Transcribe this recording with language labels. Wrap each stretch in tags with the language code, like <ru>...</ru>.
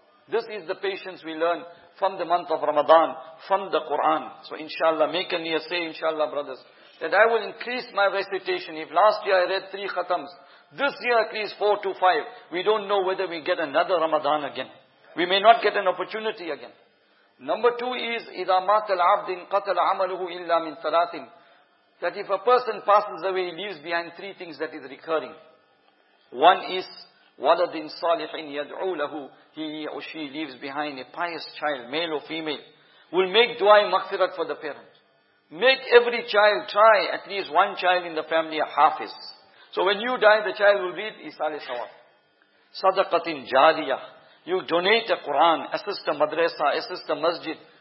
<en>This is the patience we learn from the month of Ramadan, from the Quran. So inshallah, make a niya, say inshallah brothers, that I will increase my recitation. If last year I read 3 khatams, this year at least 4 to 5, we don't know whether we get another Ramadan again. We may not get an opportunity again. Number 2 is,</en> <ar>إِذَا مَاتَ الْعَبْدٍ قَتَلَ عَمَلُهُ إِلَّا مِنْ ثَلَاثٍ.</ar> <en>That if a person passes away, he leaves behind 3 things that is recurring. One is,</en> <ar>وَلَدٍ صَالِحٍ يَدْعُو لَهُ.</ar> <en>He or she leaves behind a pious child, male or female, will make dua and maghfirat for the parents. Make every child try, at least one child in the family, a hafiz. So when you die, the child will read Isale Sawab. Sadaqatin Jariyah. You donate a Quran, assist a madrasa, assist a masjid.</en>